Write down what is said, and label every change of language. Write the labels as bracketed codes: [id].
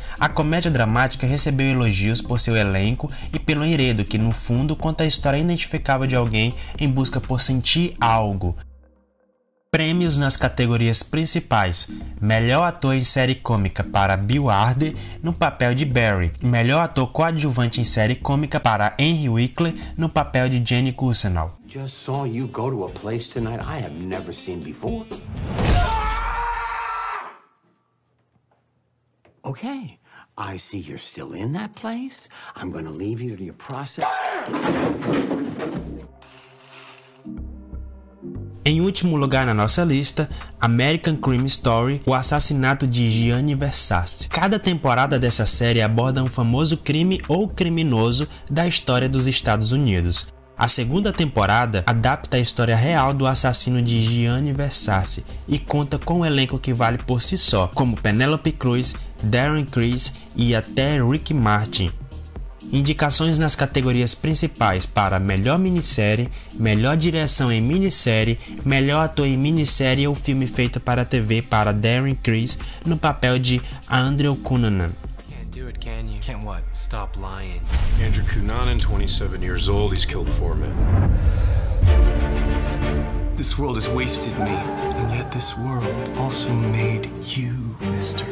[pt] A comédia dramática recebeu elogios por seu elenco e pelo enredo, que no fundo conta a história identificável de alguém em busca por sentir algo. Prêmios nas categorias principais: Melhor ator em série cômica para Bill Hader no papel de Barry. Melhor ator coadjuvante em série cômica para Henry Winkler no papel de Jenny Cursenal. [en] Just saw you go to a place tonight I have never seen before. Okay, I see you're still in that place. I'm gonna leave you to your process. [pt] Em último lugar na nossa lista, American Crime Story, o assassinato de Gianni Versace. Cada temporada dessa série aborda um famoso crime ou criminoso da história dos Estados Unidos. A segunda temporada adapta a história real do assassino de Gianni Versace e conta com um elenco que vale por si só, como Penelope Cruz, Darren Criss e até Rick Martin. Indicações nas categorias principais para Melhor Minissérie, Melhor Direção em Minissérie, Melhor Ator em Minissérie ou Filme Feito para TV para Darren Criss no papel de Andrew Cunanan. [en] Can't do it, can you? Can't what? Stop lying. Andrew Cunanan, 27 years old, he's killed 4 men. This world has wasted me, and yet this world also made you, Mr.